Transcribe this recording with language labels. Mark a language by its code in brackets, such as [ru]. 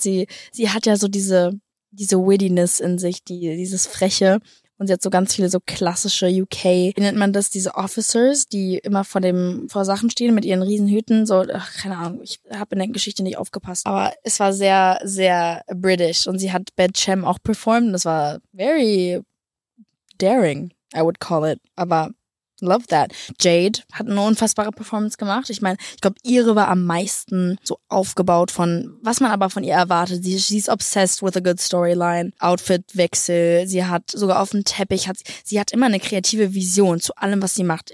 [de] Sie hat ja so diese Wittiness in sich, dieses Freche. Und sie hat so ganz viele so klassische UK, wie nennt man das, diese Officers, die immer vor Sachen stehen mit ihren Riesenhüten. So, ach, keine Ahnung, ich habe in der Geschichte nicht aufgepasst. Aber es war sehr, sehr British. Und sie hat Bad Cham auch performt. Das war [en] very daring, I would call it. [de] Aber [en] love that. [de] Jade hat eine unfassbare Performance gemacht. Ich meine, ich glaube, ihre war am meisten so aufgebaut von, was man aber von ihr erwartet. Sie ist [en] obsessed with a good storyline. Outfitwechsel. [de] Sie hat sogar auf dem Teppich, sie hat immer eine kreative Vision zu allem, was sie macht.